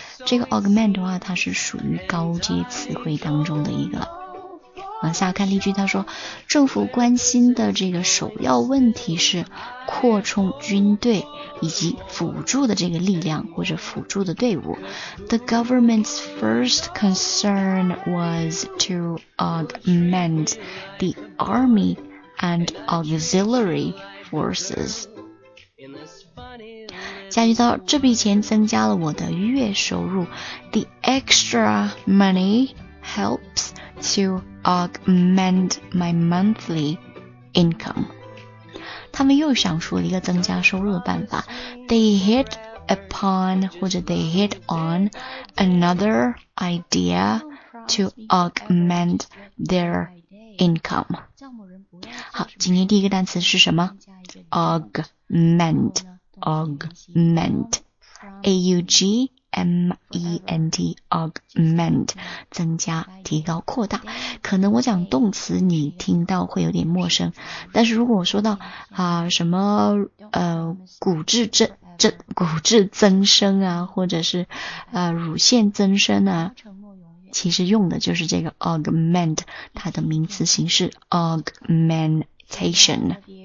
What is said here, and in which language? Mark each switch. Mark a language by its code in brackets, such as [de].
[zh] 这个 augment 的话它是属于高阶词汇当中的一个。往下看例句，他说政府关心的这个首要问题是扩充军队以及辅助的这个力量或者辅助的队伍。 [en] The government's first concern was to augment the army and auxiliary forces. [zh] 下一道，这笔钱增加了我的月收入。 [en] The extra money helps to augment my monthly income. [zh] 他们又想出了一个增加收入的办法。 [en] They hit upon, 或者 they hit on another idea to augment their income. [zh] 好，今天第一个单词是什么？ [en] Augment, augment, A-U-G-M-E-N-T, augment, [zh] 增加、提高、扩大。可能我讲动词你听到会有点陌生，但是如果我说到什么骨质增生啊，或者是乳腺增生啊，其实用的就是这个 augment, 它的名词形式 augmentation。